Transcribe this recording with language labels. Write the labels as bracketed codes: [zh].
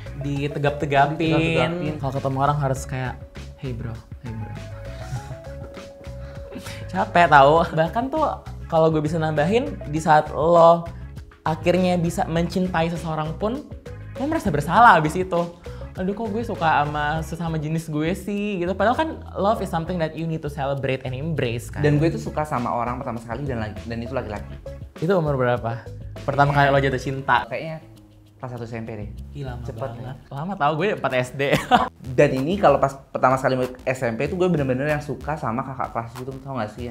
[id] ditegap-tegapin. Kalau ketemu orang harus kayak, hey bro. Capek tau. Bahkan tuh kalau gue bisa nambahin, di saat lo akhirnya bisa mencintai seseorang pun, lo merasa bersalah abis itu. Aduh, kok gue suka sama sesama jenis gue sih gitu. Padahal kan [en] love is something that you need to celebrate and embrace [id] kan. Dan gue tuh suka sama orang pertama sekali dan itu laki-laki. Itu umur berapa? Pertama kali lo jatuh cinta? Kayaknya pas 1 SMP deh. Ih, lama. Cepet banget. Ya. Lama tau, gue 4 SD. Dan ini kalau pas pertama sekali SMP itu gue benar-benar yang suka sama kakak kelas itu, tau gak sih?